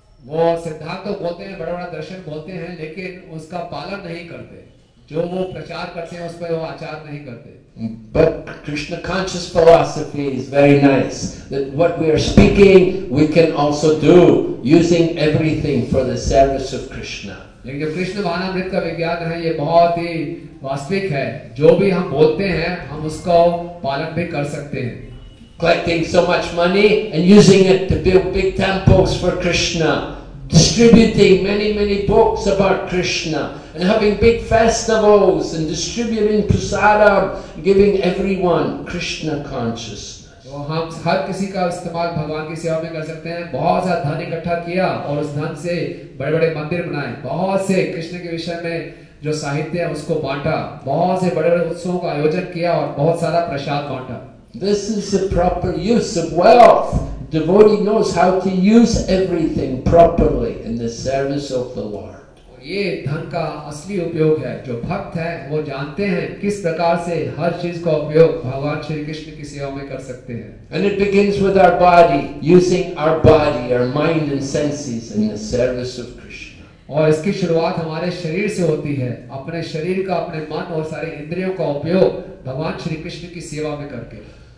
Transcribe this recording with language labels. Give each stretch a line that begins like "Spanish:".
Hindi: वो सिद्धांत तो बोलते हैं, बड़ा बड़ा दर्शन बोलते हैं, लेकिन उसका पालन नहीं करते. जो वो प्रचार करते हैं उस पर वो आचार नहीं करते.
English: But Krishna conscious philosophy is very nice. That what we are speaking, we can also do using everything for the service of Krishna.
Hindi: लेकिन कृष्ण वाणामृत का विज्ञान है ये बहुत ही वास्तविक है. जो भी हम बोलते हैं हम उसका पालन भी कर सकते हैं.
English: Collecting so much money and using it to build big temples for Krishna. Distributing many, many books about Krishna and having big festivals and distributing prasadam, giving everyone Krishna consciousness. So,
Hindi: हम हर किसी का इस्तेमाल भगवान की सेवा में कर सकते हैं. बहुत सारा धन इकट्ठा किया और उस धन से बड़े बड़े मंदिर बनाए, बहुत से कृष्ण के विषय में जो साहित्य है उसको बांटा, बहुत से बड़े बड़े उत्सवों का आयोजन किया और बहुत सारा प्रसाद बांटा.
English: This is the proper use of wealth. Devotee knows how to use everything properly in the service of the Lord.
Hindi: ये धन का असली उपयोग है. जो भक्त है वो जानते हैं किस प्रकार से हर चीज का उपयोग भगवान श्री कृष्ण की सेवा में कर सकते हैं.
English: And it begins with our body, using our body, our mind and senses in the service of Krishna.
Hindi: और इसकी शुरुआत हमारे शरीर से होती है, अपने शरीर का, अपने मन और सारे इंद्रियों का उपयोग भगवान श्री कृष्ण की सेवा में करके.